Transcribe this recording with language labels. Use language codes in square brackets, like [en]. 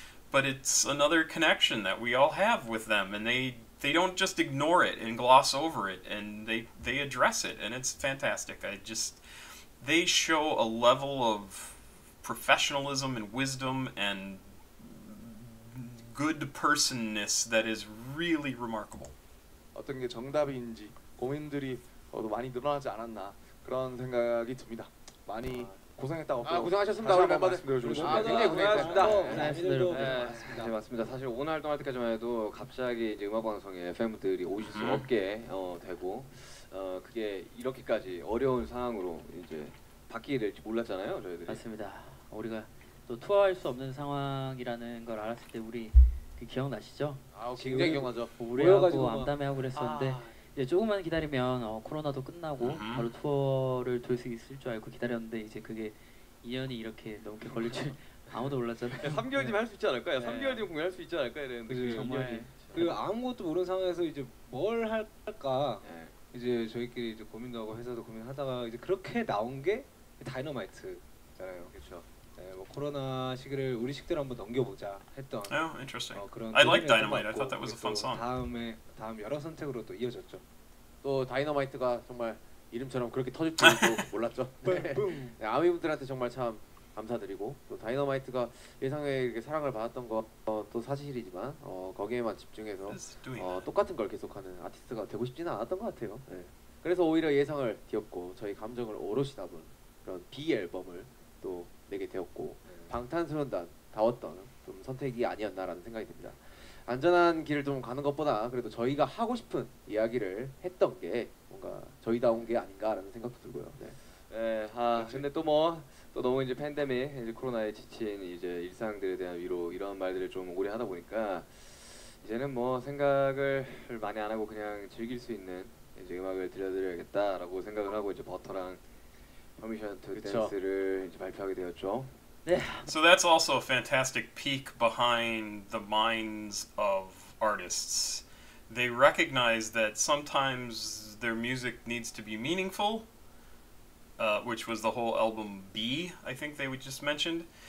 [en] But it's another connection that we all have with them. And they don't just ignore it and gloss over it. And they address it. And it's fantastic. They show a level of professionalism and wisdom and good personness that is really remarkable. [ko] 어떤 게 정답인지 고민들이 많이 늘어나지 않았나 그런 생각이 듭니다. 많이 고생했다고. 아, 고생하셨습니다. 우리 멤버들 말씀드려주셨습니다. 아, 굉장히 고생했습니다. 고생하셨습니다. 고생하셨습니다. 네, 맞습니다. 사실 오늘 활동할 때까지만 해도 갑자기 이제 음악방송에 팬분들이 오실 수 없게 되고 그게 이렇게까지 어려운 상황으로 이제 바뀌게 될지 몰랐잖아요, 저희들이. 맞습니다. 우리가 또 투어할 수 없는 상황이라는 걸 알았을 때 우리 그 기억나시죠? 아, 굉장히 기억나죠. 우려하고 암담해하고 그랬었는데 이제 조금만 기다리면 코로나도 끝나고 바로 투어를 돌 수 있을 줄 알고 기다렸는데 이제 그게 2년이 이렇게 넘게 걸릴 줄 아무도 몰랐잖아요. 3개월 뒤면 할 수 있지 않을까요? 네. 3개월 뒤면 공연할 수 있지 않을까요? 이랬는데 정말 그 아무것도 모르는 상황에서 이제 뭘 할까? 네. 이제 저희끼리 이제 고민도 하고 회사도 고민하다가 이제 그렇게 나온 게 다이너마이트잖아요. 그렇죠. 네, 뭐 코로나 시기를 우리 식대로 한번 넘겨보자 했던. [en] Oh, interesting. I like Dynamite. I thought that was a fun song. [ko] 다음 여러 선택으로 또 이어졌죠. 또 다이너마이트가 정말 이름처럼 그렇게 터질 줄도 몰랐죠. 네, 아미분들한테 정말 참 감사드리고 또 다이너마이트가 예상에 이렇게 사랑을 받았던 것도 사실이지만 거기에만 집중해서 똑같은 걸 계속하는 아티스트가 되고 싶지는 않았던 것 같아요. 네. 그래서 오히려 예상을 뒤엎고 저희 감정을 오롯이 담은 그런 B 앨범을 또 내게 되었고 방탄소년단다웠던 좀 선택이 아니었나라는 생각이 듭니다. 안전한 길을 좀 가는 것보다 그래도 저희가 하고 싶은 이야기를 했던 게 뭔가 저희다운 게 아닌가라는 생각도 들고요. 네. 아 근데 또 뭐 또 너무 이제 팬데믹 이제 코로나에 지친 이제 일상들에 대한 위로 이런 말들을 좀 오래 하다 보니까 이제는 뭐 생각을 많이 안 하고 그냥 즐길 수 있는 이제 음악을 들려드려야겠다라고 생각을 하고 이제 버터랑 퍼미션 투 댄스를 이제 발표하게 되었죠. 네. [en] So that's also a fantastic peek behind the minds of artists. They recognize that sometimes their music needs to be meaningful. Which was the whole album B, I think they would just mentioned.